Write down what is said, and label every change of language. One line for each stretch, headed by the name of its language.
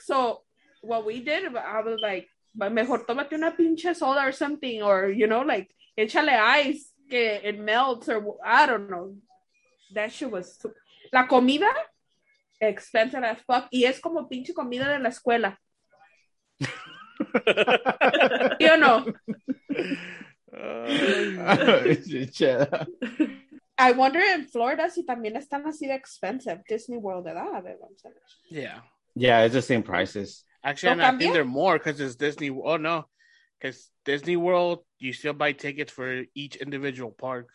English: So what we did, I was like,
Spanish: mejor tómate una pinche soda
English: or something, or, you know, like,
Spanish: échale ice que
English: it melts, or I don't know. That shit was too...
Spanish: La comida,
English: expensive as fuck.
Spanish: Y es como pinche comida de la escuela. ¿Sí o no?
English: I wonder in Florida
Spanish: si también están así de
English: expensive.
Spanish: Disney World, ¿verdad?
English: Yeah, yeah, it's the same prices. Actually, I think they're more because it's Disney. Oh no, Because Disney World, you still buy tickets for each individual park.